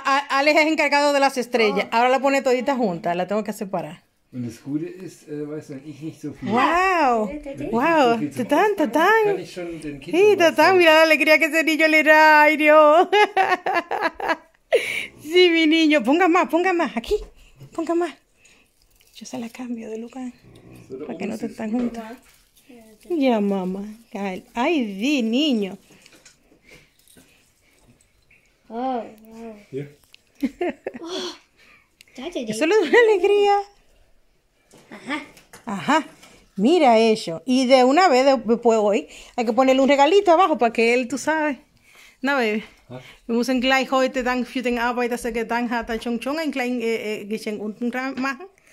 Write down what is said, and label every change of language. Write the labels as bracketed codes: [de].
[es] Alex es encargado de las estrellas. Ahora la pone todita junta, la tengo que separar. [de] Wenn es gut ist, weißt du, wenn ich nicht so viel... Wow, Tatán, Tatán. [es] Sí, Tatán, mira la alegría que ese niño le da, ay Dios. Sí, mi niño, ponga más, aquí, ponga más. Yo se la cambio de lugar, para que no te están juntos. Ya, mamá, ay, sí, niño. Oh, eso le da una alegría. Ajá. Mira eso. Y de una vez después hoy hay que ponerle un regalito abajo para que él, tú sabes. No, baby. [de] Wir müssen gleich heute dank für den Arbeit, dass er getan hat, schon schon ein kleines Geschenk unten dran machen.